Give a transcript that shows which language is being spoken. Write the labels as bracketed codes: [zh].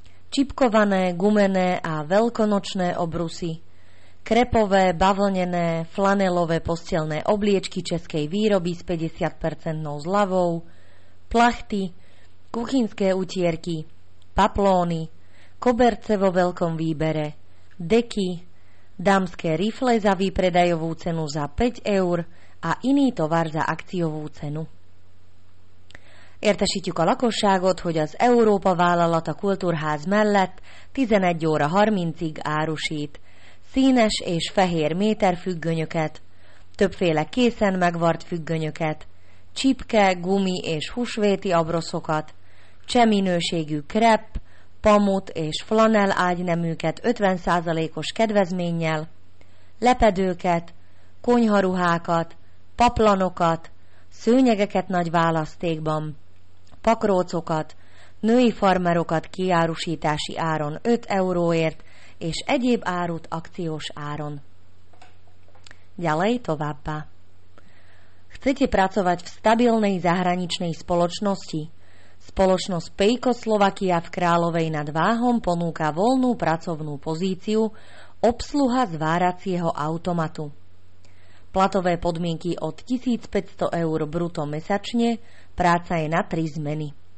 [sk] čipkované, gumené a veľkonočné obrusy, krepové, bavlnené, flanelové postelné obliečky českej výroby s 50% zľavou, plachty, kuchynské utierky, paplóny, koberce vo veľkom výbere, deky, dámske rifle za výpredajovú cenu za 5 eur a iný tovar za akciovú cenu. [hu] Értesítjük a lakosságot, hogy az Európa Vállalata Kultúrház mellett 11 óra 30-ig árusít színes és fehér méterfüggönyöket, többféle készen megvart függönyöket, csipke, gumi és húsvéti abroszokat, cseh minőségű krep, pamut és flanel ágyneműket 50%-os kedvezménnyel, lepedőket, konyharuhákat, paplanokat, szőnyegeket nagy választékban, pakrócokat, női farmerokat kiárusítási áron 5 euróért és egyéb árut akciós áron. [sk] Ďalej [hu] továbbá. [sk] Chcete pracovať v stabilnej zahraničnej spoločnosti? Spoločnosť Pejko Slovakia v Královej nad Váhom ponúka voľnú pracovnú pozíciu obsluha zváracieho automatu. Platové podmienky od 1500 eur bruto mesačne, práca je na 3 zmeny.